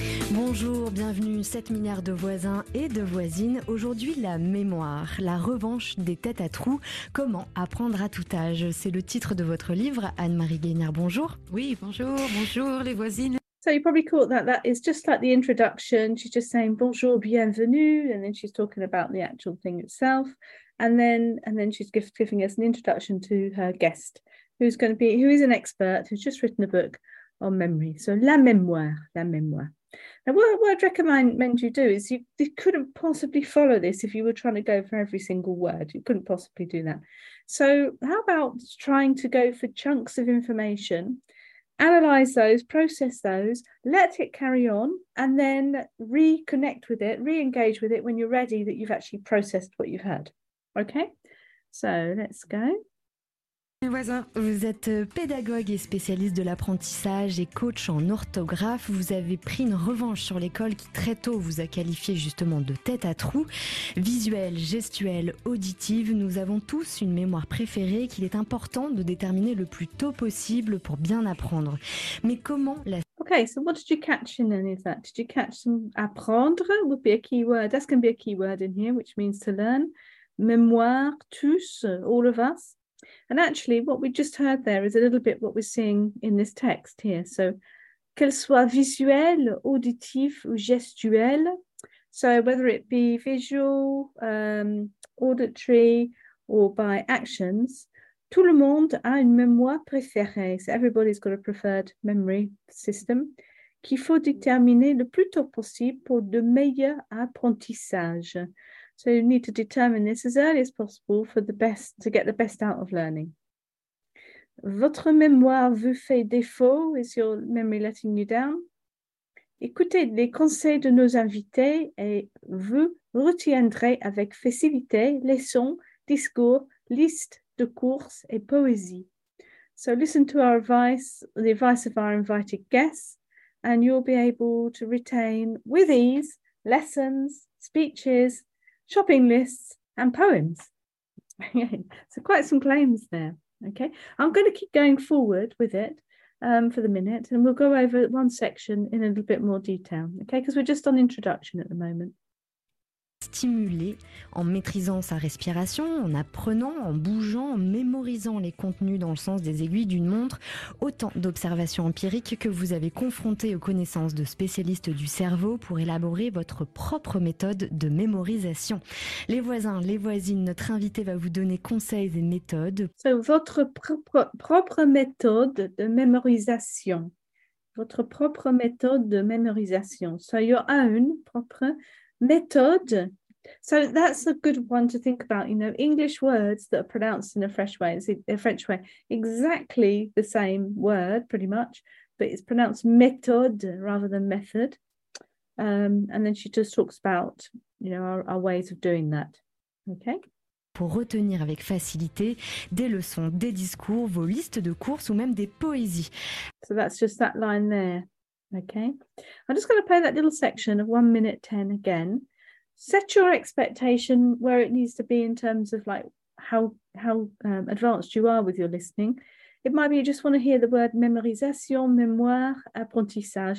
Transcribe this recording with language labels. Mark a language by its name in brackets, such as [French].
[French] Bonjour, bienvenue, 7 milliards de voisins et de voisines. Aujourd'hui, la mémoire, la revanche des têtes à trous. Comment apprendre à tout âge? C'est le titre de votre livre, Anne-Marie Guénard, bonjour. Oui, bonjour, bonjour les voisines. [English] So you probably caught that. That is just like the introduction. She's just saying bonjour, bienvenue, and then she's talking about the actual thing itself. And then she's giving us an introduction to her guest, who is an expert, who's just written a book on memory. So la mémoire, la mémoire. Now, what I'd recommend you do is you couldn't possibly follow this if you were trying to go for every single word. You couldn't possibly do that. So how about trying to go for chunks of information, analyze those, process those, let it carry on, and then reconnect with it, re-engage with it when you're ready that you've actually processed what you've heard. Okay, so let's go. [French] Voisin, vous êtes pédagogue et spécialiste de l'apprentissage et coach en orthographe. Vous avez pris une revanche sur l'école qui très tôt vous a qualifié justement de tête à trous. Visuelle, gestuelle, auditive, nous avons tous une mémoire préférée qu'il est important de déterminer le plus tôt possible pour bien apprendre. Mais comment la... [English] Okay, so what did you catch in any of that? Did you catch some apprendre would be a key word? That's going to be a key word in here, which means to learn. Mémoire, tous, all of us. And actually, what we just heard there is a little bit what we're seeing in this text here. [French] So, qu'elle soit visuelle, auditive, ou gestuelle. [English] So, whether it be visual, auditory, or by actions, [French] tout le monde a une mémoire préférée. [English] So, everybody's got a preferred memory system [French] qu'il faut déterminer le plus tôt possible pour de meilleurs apprentissages. [English] So you need to determine this as early as possible for the best to get the best out of learning. [French] Votre mémoire vous fait défaut, [English] is your memory letting you down? [French] Écoutez les conseils de nos invités et vous retiendrez avec facilité les sons, discours, listes de courses et poésie. [English] So listen to our advice, the advice of our invited guests, and you'll be able to retain with ease lessons, speeches, shopping lists and poems. So quite some claims there. Okay, I'm going to keep going forward with it for the minute, and we'll go over one section in a little bit more detail. Okay, because we're just on introduction at the moment. [French] Stimuler en maîtrisant sa respiration, en apprenant, en bougeant, en mémorisant les contenus dans le sens des aiguilles d'une montre, autant d'observations empiriques que vous avez confrontées aux connaissances de spécialistes du cerveau pour élaborer votre propre méthode de mémorisation. Les voisins, les voisines, notre invité va vous donner conseils et méthodes. So, votre propre méthode de mémorisation. Votre propre méthode de mémorisation. [English] So, your own [French] propre méthode. [English] So that's a good one to think about. English words that are pronounced in a fresh way, a French way, exactly the same word, pretty much, but it's pronounced méthode rather than method. And then she just talks about, our ways of doing that. Okay. [French] Pour retenir avec facilité des leçons, des discours, vos listes de courses ou même des poésies. [English] So that's just that line there. Okay, I'm just going to play that little section of 1 minute 10 again. Set your expectation where it needs to be in terms of like how advanced you are with your listening. It might be you just want to hear the word mémorisation, mémoire, apprentissage.